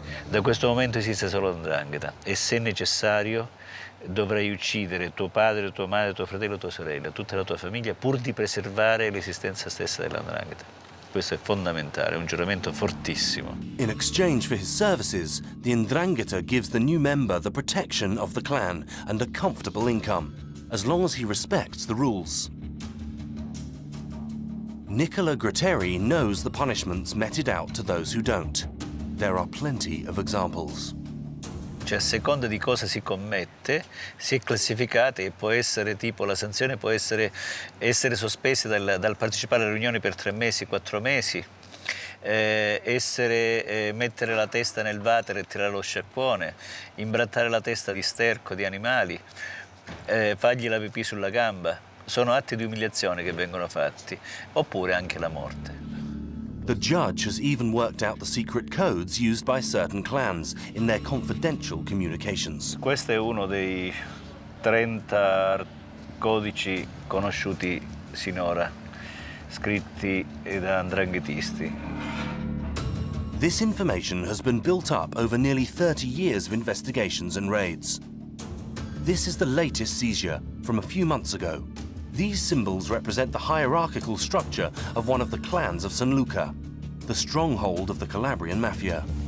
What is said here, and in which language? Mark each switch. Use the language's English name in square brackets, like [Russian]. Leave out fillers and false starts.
[Italian] Da questo momento esiste solo Ndrangheta e se necessario dovrai uccidere tuo padre, tua madre, tuo fratello, tua sorella, tutta la tua famiglia pur di preservare l'esistenza stessa della Ndrangheta. Questo è fondamentale, è un giuramento fortissimo. [English] In exchange for his services, the Ndrangheta gives the new member the protection of the clan and a comfortable income, as long as he respects the rules. Nicola Gratteri knows the punishments meted out to those who don't. There are plenty of examples. [Italian] Cioè, a seconda di cosa si commette, si è classificati e può essere tipo la sanzione può essere sospesi dal partecipare alle riunioni per 3 mesi, 4 mesi, mettere la testa nel water e tirare lo sciacquone, imbrattare la testa di sterco di animali, fargli la pipì sulla gamba. Sono atti di umiliazione che vengono fatti, oppure anche la morte. [English] The judge has even worked out the secret codes used by certain clans in their confidential communications. [Italian] Questo è uno dei 30 codici conosciuti sinora, scritti da ndranghetisti. [English] This information has been built up over nearly 30 years of investigations and raids. This is the latest seizure from a few months ago. These symbols represent the hierarchical structure of one of the clans of San Luca, the stronghold of the Calabrian Mafia.